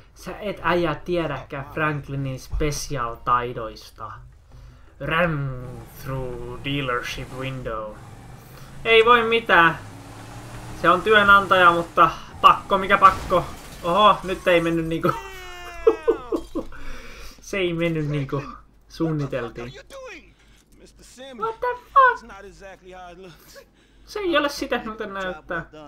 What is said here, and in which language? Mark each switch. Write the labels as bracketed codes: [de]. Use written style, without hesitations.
[fi] Sä et äijä tiedäkään Franklinin special taidoista. [en] Ram through dealership window. [fi] Ei voi mitään. Se on työnantaja, mutta pakko mikä pakko. Oho, nyt ei mennyt niinku... Se ei mennyt niinku suunniteltiin. [en] What the fuck? [fi] Se ei ole sitä, miten näyttää.